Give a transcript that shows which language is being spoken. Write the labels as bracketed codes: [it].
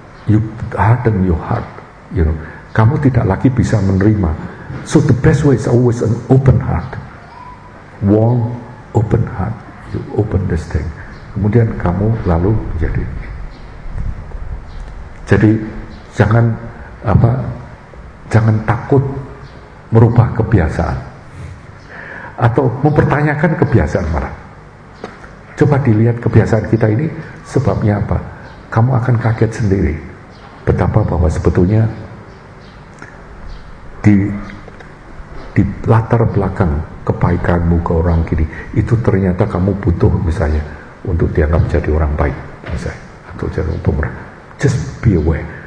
[en] You harden your heart, you know. [id] Kamu tidak lagi bisa menerima. [en] So the best way is always an open heart, warm, open heart. You open this thing. [id] Kemudian kamu lalu menjadi. Jadi jangan apa, jangan takut merubah kebiasaan atau mempertanyakan kebiasaan marah. Coba dilihat kebiasaan kita ini sebabnya apa? Kamu akan kaget sendiri betapa bahwa sebetulnya di latar belakang kebaikanmu ke orang kiri itu ternyata kamu butuh misalnya untuk dianggap jadi orang baik misalnya atau jadi orang pemurah. [en] Just be aware.